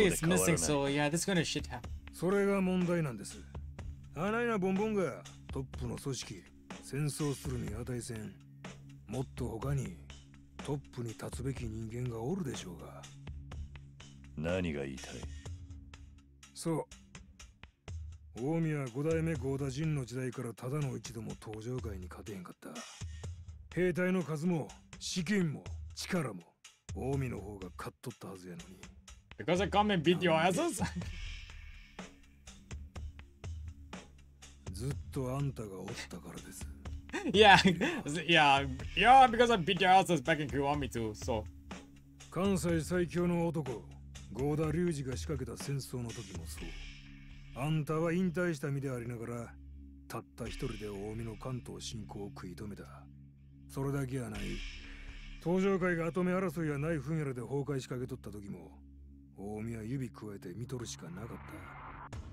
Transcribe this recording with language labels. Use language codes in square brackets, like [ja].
[en] is missing, so yeah, this kind of shit happened. [ja] それが問題なんです。あないなボンボンがトップの組織、戦争するに値せん。もっと他にトップに立つべき人間がおるでしょうが。何が言いたい？そう。オウミは五代目ゴーダジンの時代からただの一度も登場会に勝てんかった。兵隊の数も資金も力もオウミの方が勝っとったはずやのに。 [en] Because I come and beat your asses? [ja] ずっとあんたがおったからです。 [en] Yeah, yeah, yeah, because I beat your asses back in Kiwami too, so. [ja] 関西最強の男、ゴーダリュウジが仕掛けた戦争の時もそう。あんたは引退した身でありながら、たった一人で大海の関東侵攻を食い止めた。それだけやない。登場会が後目争いやナイフンやらで崩壊仕掛けとった時も、大海は指くわえて見とるしかなかった。